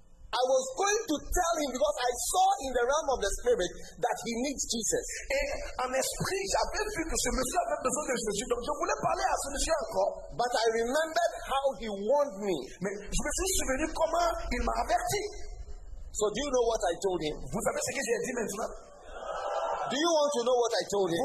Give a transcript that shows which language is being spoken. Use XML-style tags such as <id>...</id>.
<en>I was going to tell him because I saw in the realm of the spirit that he needs Jesus.</en> <fr>Et en esprit, j'avais vu que ce monsieur avait besoin de Jésus. Donc je voulais parler à ce monsieur encore.</fr> <en>But I remembered how he warned me.</en> <fr>Mais je me suis souvenu comment il m'a averti.</fr> <en>So do you know what I told him?</en> <fr>Vous savez ce que j'ai dit maintenant?</fr> <en>Do you want to know what I told him?</en>